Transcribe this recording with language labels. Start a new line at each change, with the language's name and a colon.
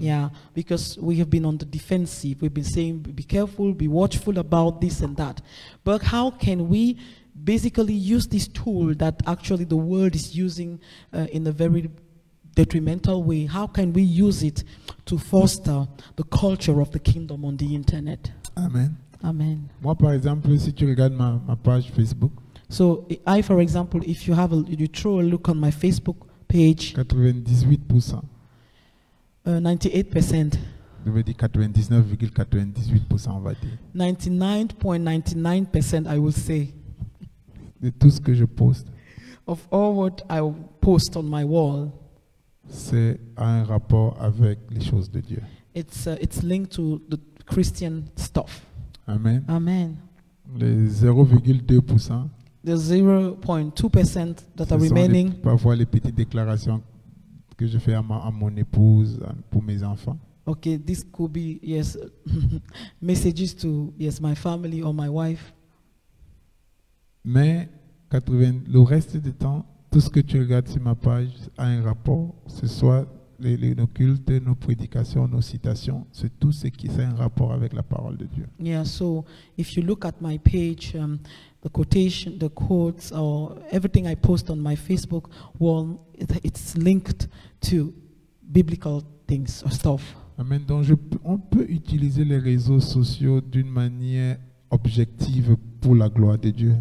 English: Yeah, because we have been on the defensive. We've been saying, be careful, be watchful about this and that. But how can we basically use this tool that actually the world is using in a very detrimental way? How can we use it to foster the culture of the kingdom on the internet? Amen. Amen.
French: Moi, par exemple, si tu regardes ma page Facebook,
English: so I, for example, if you have you throw a look on my Facebook page, 98%. 98%.
French: Je veux dire 99,98%, on va dire.
English: 99.99%, I will say.
French: De tout ce que je poste.
English: Of all what I post on my wall.
French: C'est un rapport avec les choses de Dieu.
English: It's linked to the Christian stuff. Amen. Amen.
French: Les 0,2%.
English: The 0.2% that are remaining.
French: Parfois les petites déclarations que je fais à mon épouse, pour mes enfants.
English: Okay, this could be yes messages to yes my family or my wife.
French: Mais le reste du temps, tout ce que tu regardes sur ma page a un rapport. Ce soit nos cultes, nos prédications, nos citations, c'est tout ce qui a un rapport avec la parole de Dieu.
English: Yeah, so if you look at my page, the quotation, the quotes, or everything I post on my Facebook wall, it's linked to biblical things or stuff. Amen.
French: Donc on peut utiliser les réseaux sociaux d'une manière objective pour la gloire de Dieu.